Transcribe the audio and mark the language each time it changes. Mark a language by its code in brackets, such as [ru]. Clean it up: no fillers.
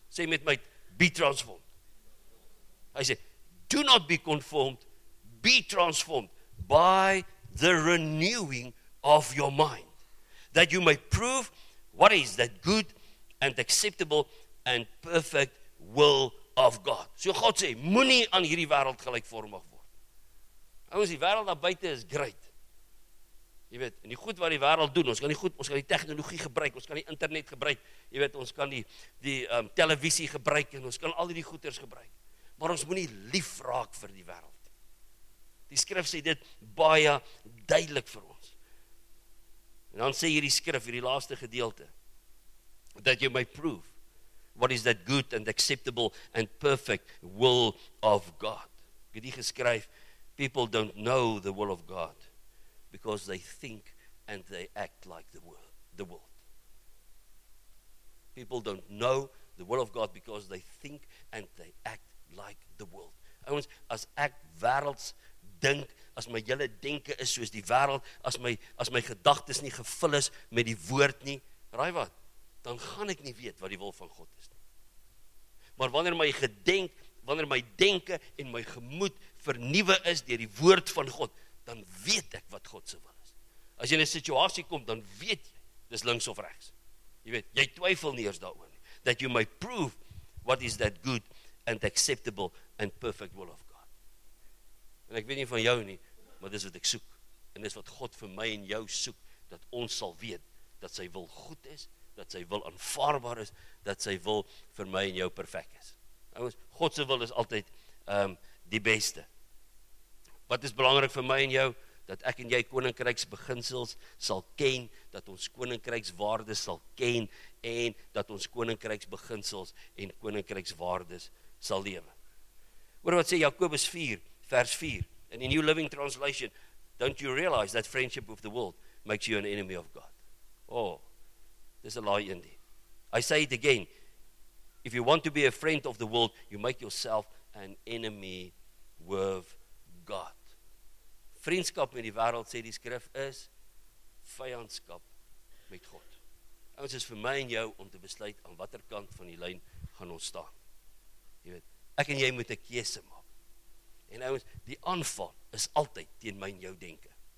[af] Sê met my, [en] be transformed. [af] Hy sê, [en] do not be conformed, be transformed by the renewing of your mind, that you may prove what is that good and acceptable and perfect will of God. [af] So God sê, moenie aan hierdie wêreld gelykvormig word. Ons, die wêreld daar buite is great. Jy weet, en die goed wat die wêreld doen, ons kan die tegnologie gebruik, ons kan die internet gebruik, jy weet, ons kan die televisie gebruik, en ons kan al die goeders gebruik. Maar ons moenie lief raak vir die wêreld. Die skrif sê dit baie duidelik vir ons. En dan sê hierdie skrif, hierdie laaste gedeelte, [en] that you may prove what is that good and acceptable and perfect will of God. [af] Ek het hier geskryf, [en] people don't know the will of God because they think and they act like the world. People don't know the will of God because they think and they act like the world. [af] Ons, as ek wêrelds dink, as my hele denke is soos die wêreld, as my gedagtes nie gevul is met die woord nie, raai wat, dan gaan ek nie weet wat die wil van God is nie. Maar wanneer my denke en my gemoed vernuwe is deur die woord van God, dan weet ek wat God se wil is. As jy in 'n situasie kom, dan weet jy, dis links of regs. Jy weet, jy twyfel nie eers daaroor nie. [en] That you may prove what is that good and acceptable and perfect will of God. [af] En ek weet nie van jou nie, maar dis wat ek soek. En dis wat God vir my en jou soek, dat ons sal weet dat sy wil goed is, dat sy wil aanvaarbaar is, dat sy wil vir my en jou perfek is. Ouers, God se wil is altyd die beste. Wat is belangrik vir my en jou? Dat ek en jy koninkryksbeginsels sal ken, dat ons koninkrykswaardes sal ken, en dat ons koninkryksbeginsels en koninkrykswaardes sal lewe. Hoor wat sê Jakobus 4 vers 4 in die [en] New Living Translation, don't you realize that friendship with the world makes you an enemy of God? [af] Oh, dis 'n laai een die. [en] I say it again, if you want to be a friend of the world, you make yourself an enemy with God. [af] Vriendskap met die wêreld, sê die skrif, is vyandskap met God. Ons is vir my en jou om te besluit aan watter kant van die lyn gaan ons staan. Jy weet, ek en jy moet 'n keuse maak. En ouens, die aanval is altyd teen my en jou denke.